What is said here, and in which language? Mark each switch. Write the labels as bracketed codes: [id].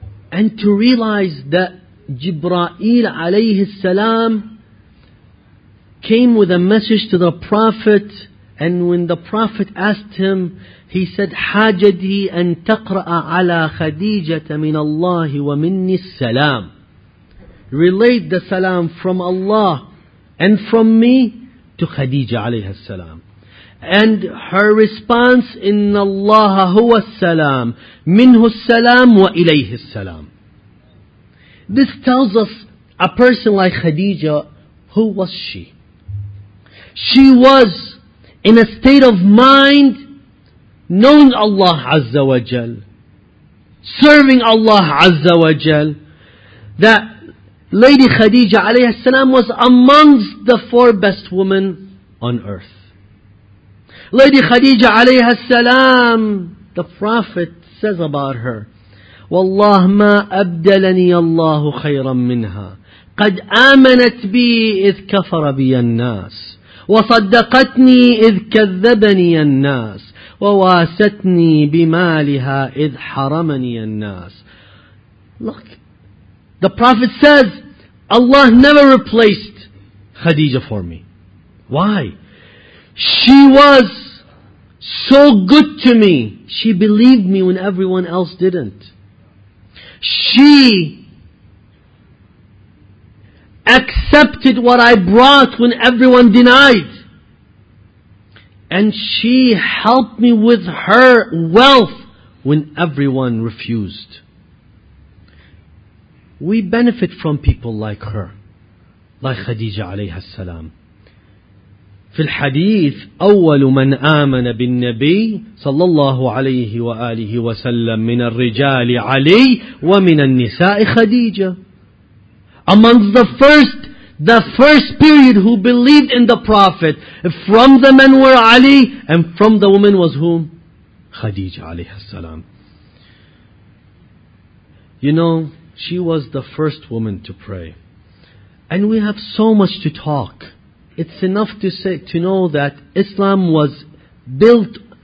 [en] and to realize that Jibra'il alayhi salam came with a message to the Prophet, and when the Prophet asked him, he said, [ar] حاجدي أن تقرأ على خديجة من الله ومني السلام. [en] Relate the salam from Allah and from me to Khadija alayha salam. And her response, [ar] إِنَّ اللَّهَ هُوَ السَّلَامُ مِنْهُ السَّلَامُ وَإِلَيْهِ السَّلَامُ. [en] This tells us a person like Khadija, who was she? She was in a state of mind knowing Allah Azza wa Jal, serving Allah Azza wa Jal. That Lady Khadija alayhi salam was amongst the four best women on earth. Lady Khadija alayhi salam, the Prophet says about her, [ar] Wallah ma abdalani Allahu khayran minha. Qad amanat bi idh kafara bi an-nas. وصدقتني إذ كذبني الناس وواستني بمالها إذ حرمني الناس. [en] Look, the Prophet says, Allah never replaced Khadija for me. Why? She was so good to me. She believed me when everyone else didn't. She accepted what I brought when everyone denied. And she helped me with her wealth when everyone refused. We benefit from people like her, like Khadija alayha salam. [ar] في الحديث أول من آمن بالنبي صلى الله عليه وآله وسلم من الرجال علي ومن النساء خديجة. [en] Amongst the first period who believed in the Prophet, from the men were Ali, and from the women was whom? Khadija alayha salam. You know, she was the first woman to pray. And we have so much to talk. It's enough to say, to know that Islam was built